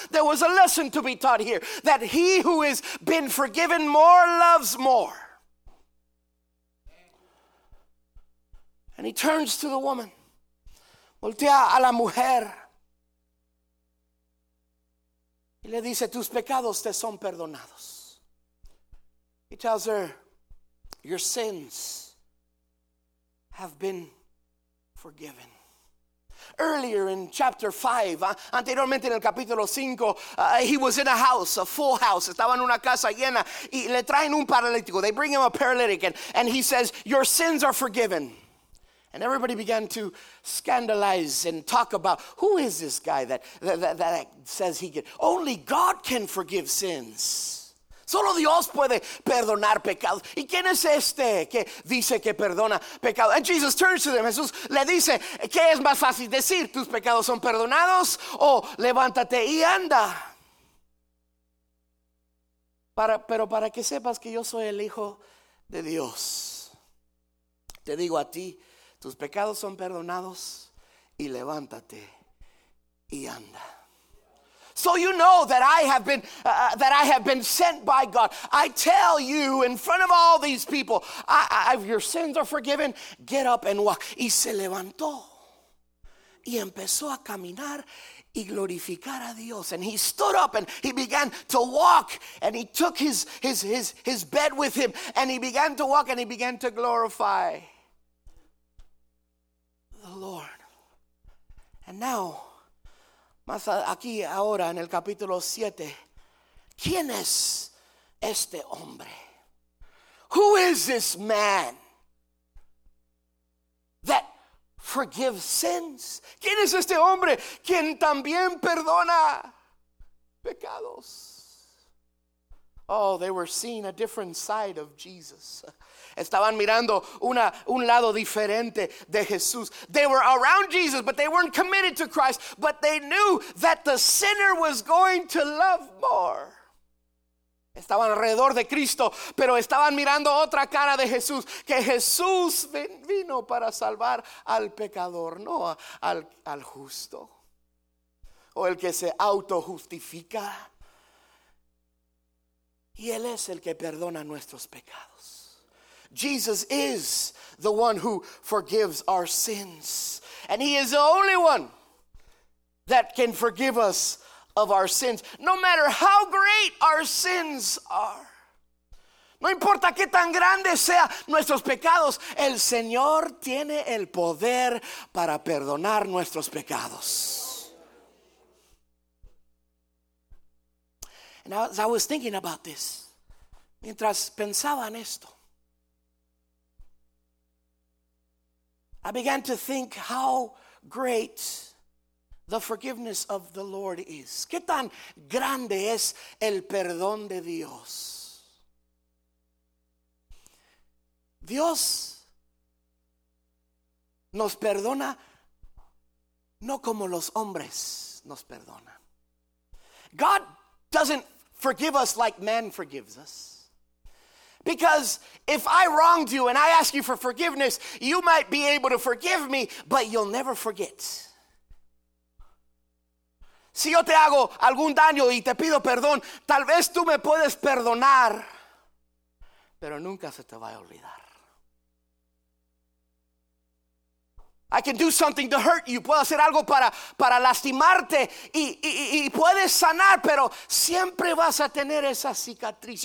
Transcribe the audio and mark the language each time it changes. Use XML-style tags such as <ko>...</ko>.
<en>There was a lesson to be taught here, that he who has been forgiven more loves more. And he turns to the woman,</en> <es>voltea a la mujer. Y le dice, tus pecados te son perdonados.</es> <en>He tells her, your sins have been forgiven. Earlier in chapter 5,</en> <es>anteriormente en el capítulo 5,</es> <en>he was in a house, a full house.</en> <es>Estaba en una casa llena y le traen un paralítico.</es> <en>They bring him a paralytic and he says, your sins are forgiven. And everybody began to scandalize and talk about, who is this guy that says he can? Only God can forgive sins.</en> <es>Solo Dios puede perdonar pecados. ¿Y quién es este que dice que perdona pecados?</es> <en>And Jesus turns to them.</en> <es>Jesús le dice, ¿qué es más fácil decir? ¿Tus pecados son perdonados? O levántate y anda. Pero para que sepas que yo soy el Hijo de Dios, te digo a ti, tus pecados son perdonados y levántate y anda.</es> <en>So you know that I have been sent by God. I tell you in front of all these people, if your sins are forgiven, get up and walk.</en> <es>Y se levantó y empezó a caminar y glorificar a Dios.</es> <en>And he stood up and he began to walk, and he took his bed with him, and he began to walk and he began to glorify the Lord. And now,</en> <es>más aquí ahora en el capítulo 7, ¿quién es este hombre?</es> <en>Who is this man that forgives sins?</en> <es>¿Quién es este hombre quien también perdona pecados?</es> <en>Oh, they were seeing a different side of Jesus.</en> <es>Estaban mirando una, un lado diferente de Jesús.</es> <en>They were around Jesus, but they weren't committed to Christ. But they knew that the sinner was going to love more.</en> <es>Estaban alrededor de Cristo, pero estaban mirando otra cara de Jesús, que Jesús vino para salvar al pecador, no al, al justo, o el que se autojustifica. Y Él es el que perdona nuestros pecados.</es> <en>Jesus is the one who forgives our sins, and He is the only one that can forgive us of our sins, no matter how great our sins are.</en> <es>No importa qué tan grandes sean nuestros pecados, el Señor tiene el poder para perdonar nuestros pecados.</es> <en>And as I was thinking about this,</en> <es>mientras pensaba en esto,</es> <en>I began to think how great the forgiveness of the Lord is.</en> <es>¿Qué tan grande es el perdón de Dios? Dios nos perdona no como los hombres nos perdonan.</es> <en>God doesn't forgive us like man forgives us. Because if I wronged you and I ask you for forgiveness, you might be able to forgive me, but you'll never forget.</en> <es>Si yo te hago algún daño y te pido perdón, tal vez tú me puedes perdonar, pero nunca se te va a olvidar.</es> <en>I can do something to hurt you.</en> <es>Puedo hacer algo para lastimarte y puedes sanar, pero siempre vas a tener esa cicatriz.</es>